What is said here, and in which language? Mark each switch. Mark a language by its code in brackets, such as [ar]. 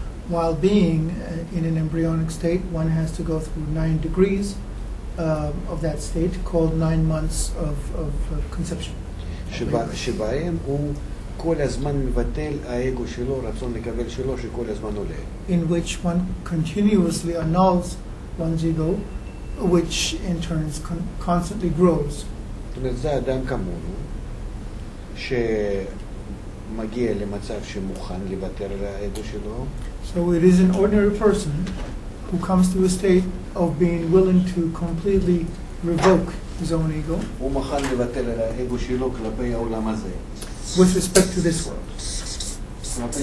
[en] While being in an embryonic state, one has to go through 9 degrees of that state, called 9 months of conception. [he] שבהם הוא כל הזמן מבטל האגו שלו, רצון לקבל שלו, שכל הזמן עולה. [en] In which one continuously annuls one's ego, which in turn constantly grows. [he] זאת אומרת, זה אדם כמונו, שמגיע למצב שמוכן לוותר על האגו שלו. [en] So it is an ordinary person who comes to a state of being willing to completely revoke his own ego. [he] הוא מוכן לוותר על האגו שלו כלפי העולם הזה. [en] With respect to this world.